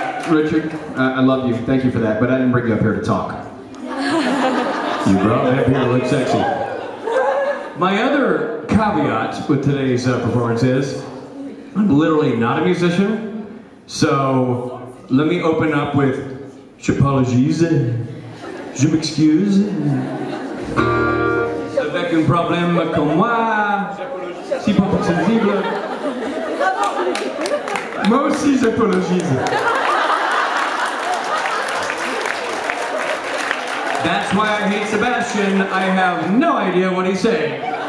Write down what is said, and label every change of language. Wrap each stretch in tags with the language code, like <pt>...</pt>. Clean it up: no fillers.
<en>Richard, I love you, thank you for that, but I didn't bring you up here to talk. You brought me up here to look sexy. My other caveat with today's performance is, I'm literally not a musician. So, let me open up with</en> <fr>j'apologies, je m'excuse, avec un problème comme moi, si pas sensible, moi aussi j'apologies.</fr> <en>That's why I hate Sebastian, I have no idea what he's saying.</en>